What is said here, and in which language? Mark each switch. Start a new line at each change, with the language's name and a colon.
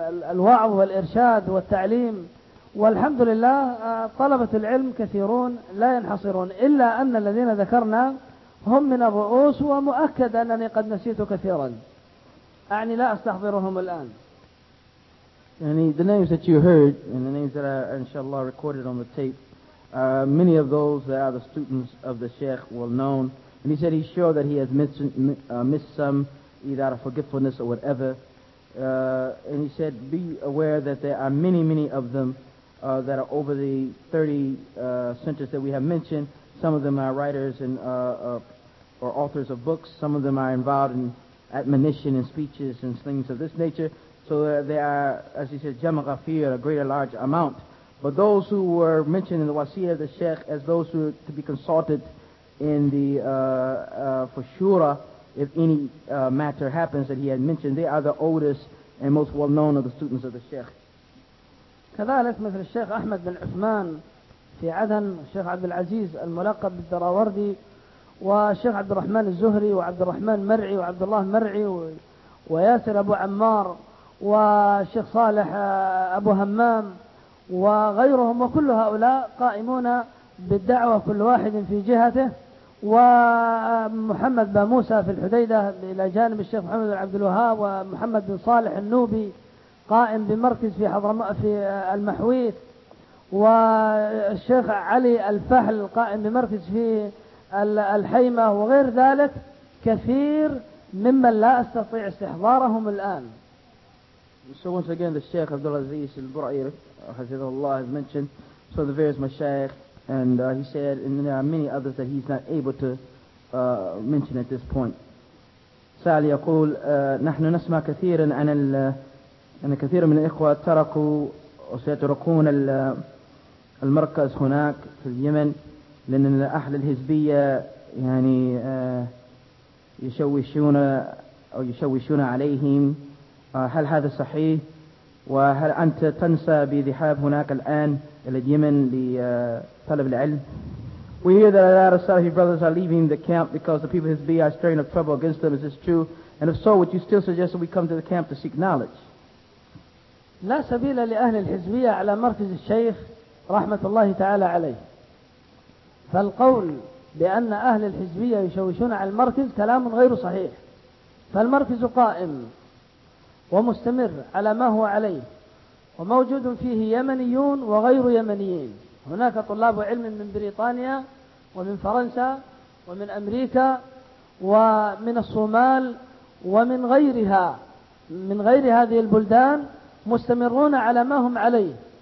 Arabic: الوعظ والإرشاد والتعليم, والحمد لله طلبة العلم كثيرون لا ينحصرون, إلا أن الذين ذكرنا هم من الرؤوس, ومؤكد أنني قد نسيت كثيرا, أعني لا أستحضرهم الآن.
English: يعني the names that you heard and the names that are inshallah recorded on the tape, many of those that are the students of the Sheikh well known, and he said he's sure that he has missed some either out of forgetfulness or whatever. And he said, be aware that there are many, many of them that are over the 30 centers that we have mentioned. Some of them are writers and or authors of books. Some of them are involved in admonition and speeches and things of this nature. So there are, as he said, jama ghafir, a greater large amount. But those who were mentioned in the wasiyah of the Sheikh as those who are to be consulted in the for shura, if any matter happens that he had mentioned, they are the oldest and most well-known of the students of the Sheikh.
Arabic: كذلك مثل الشيخ أحمد بن عثمان في عدن, الشيخ عبد العزيز الملقب بالدراوردي, والشيخ عبد الرحمن الزهري وعبد الرحمن مرعي وعبد الله مرعي وياسر أبو عمار والشيخ صالح أبو همام وغيرهم, وكل هؤلاء قائمون بالدعوة كل واحد في جهته, ومحمد بن موسى في الحديدة إلى جانب الشيخ محمد بن عبد الوهاب, ومحمد بن صالح النوبي قائم بمركز في المحويت, والشيخ علي الفحل قائم بمركز في الحيمة, وغير ذلك كثير ممن لا أستطيع استحضارهم الآن.
English: So once again the Sheikh Abdulaziz al-Bura'ir
Arabic: حفظه الله
English: has mentioned some of the various mashayikh, and he said, and there are many others that he's not able to mention at this point.
Arabic: سأل يقول نحن نسمع كثيرا عن أن كثير من الإخوة تركوا وسيتركون المركز هناك في اليمن لأن الأهل الحزبية يعني يشوشون أو يشوشون عليهم, هل هذا صحيح؟ وهل أنت تنسى بذهاب هناك الآن إلى اليمن لطلب العلم؟
English: We hear that a lot of Salafi brothers are leaving the camp because the people of Hizbiyya are stirring up trouble against them. Is this true? And if so, would you still suggest that we come to the camp to seek knowledge?
Arabic: لا سبيل لأهل الحزبية على مركز الشيخ رحمة الله تعالى عليه, فالقول بأن أهل الحزبية يشوشون على المركز كلام غير صحيح, فالمركز قائم ومستمر على ما هو عليه, وموجود فيه يمنيون وغير يمنيين, هناك طلاب علم من بريطانيا ومن فرنسا ومن أمريكا ومن الصومال ومن غيرها من غير هذه البلدان مستمرون على ما هم عليه,